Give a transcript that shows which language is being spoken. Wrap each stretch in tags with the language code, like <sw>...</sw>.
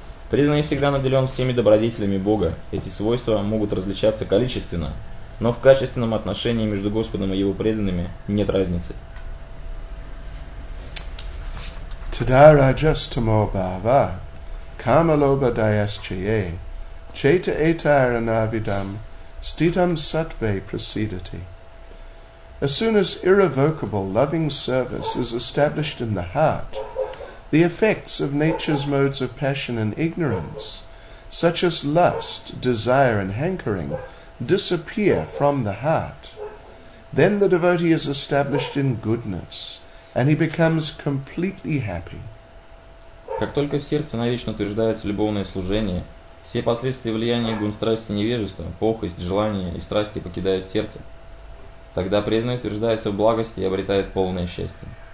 <ru>Преданный всегда наделен всеми добродетелями Бога. Эти свойства могут различаться количественно, но в качественном отношении между Господом и Его преданными нет разницы.</ru> <sa>Тада раджастамо бхава камалоба даясчие чета этара навидам ститам сатве прасидати.</sa> <en>As soon as irrevocable loving service is established in the heart, the effects of nature's modes of passion and ignorance, such as lust, desire and hankering, disappear from the heart. Then the devotee is established in goodness, and he becomes completely happy.</en> <ru>Как только в сердце навечно утверждается любовное служение, все последствия влияния гун страсти невежества, похоть, желание и страсти покидают сердце. Тогда преданный утверждается в благости и обретает полное счастье.</ru>